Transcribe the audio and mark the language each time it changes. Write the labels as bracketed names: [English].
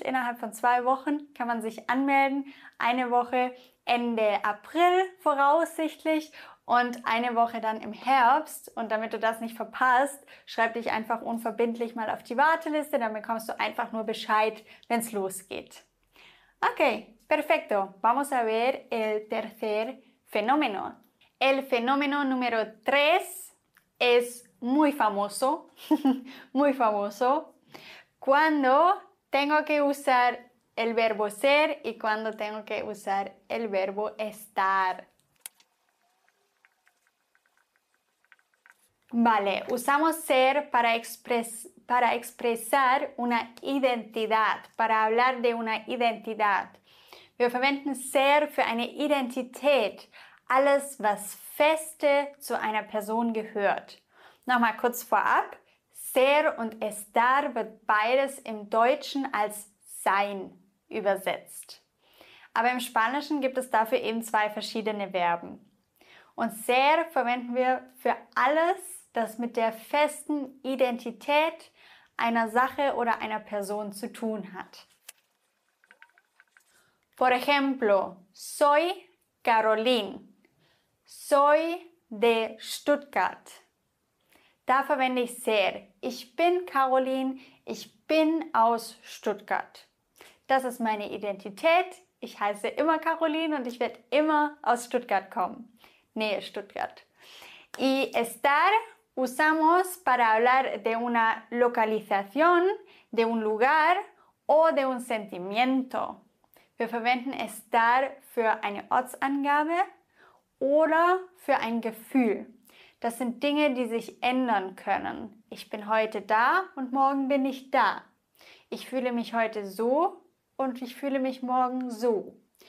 [German] Innerhalb von 2 Wochen kann man sich anmelden, 1 Woche Ende April voraussichtlich und 1 Woche dann im Herbst. Und damit du das nicht verpasst, schreib dich einfach unverbindlich mal auf die Warteliste, dann bekommst du einfach nur Bescheid, wenn es losgeht. [Spanish] Okay, perfecto. Vamos a ver el tercer fenómeno. El fenómeno número 3 es muy famoso, muy famoso, cuando tengo que usar el verbo ser y cuando tengo que usar el verbo estar. Vale, usamos ser para expresar una identidad, para hablar de una identidad. [German] Wir verwenden ser für eine Identität, alles, was feste zu einer Person gehört. Nochmal kurz vorab, ser und estar wird beides im Deutschen als sein übersetzt. Aber im Spanischen gibt es dafür eben 2 verschiedene Verben. Und ser verwenden wir für alles, das mit der festen Identität einer Sache oder einer Person zu tun hat. [Spanish] Por ejemplo, soy Caroline. [German] Soy de Stuttgart. Da verwende ich ser. Ich bin Caroline, ich bin aus Stuttgart. Das ist meine Identität. Ich heiße immer Caroline und ich werde immer aus Stuttgart kommen. Nähe Stuttgart. [Spanish] Y estar usamos para hablar de una localización, de un lugar o de un sentimiento. [German] Wir verwenden estar für eine Ortsangabe oder für ein Gefühl. Das sind Dinge, die sich ändern können. Ich bin heute da und morgen bin ich da. Ich fühle mich heute so und ich fühle mich morgen so.